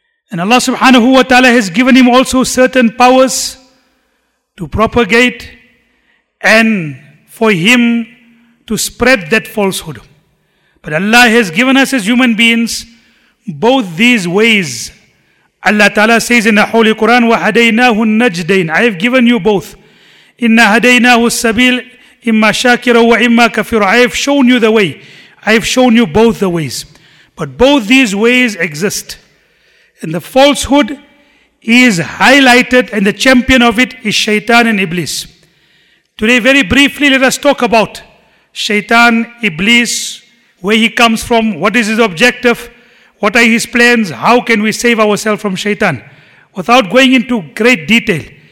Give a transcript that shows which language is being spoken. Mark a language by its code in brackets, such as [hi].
[en] And Allah subhanahu wa ta'ala has given him also certain powers to propagate and for him to spread that falsehood. But Allah has given us as human beings both these ways. Allah ta'ala says in the Holy Quran, [ar] وَهَدَيْنَاهُ النَّجْدَيْنِ, [en] I have given you both. [ar] إِنَّا هَدَيْنَاهُ السَّبِيلِ إِمَّا شَاكِرَ وَإِمَّا كَفِرَ, [en] I have shown you the way. I have shown you both the ways. But both these ways exist. And the falsehood is highlighted, and the champion of it is Shaitan and Iblis. Today, very briefly, let us talk about Shaitan, Iblis, where he comes from, what is his objective, what are his plans, how can we save ourselves from Shaitan, without going into great detail.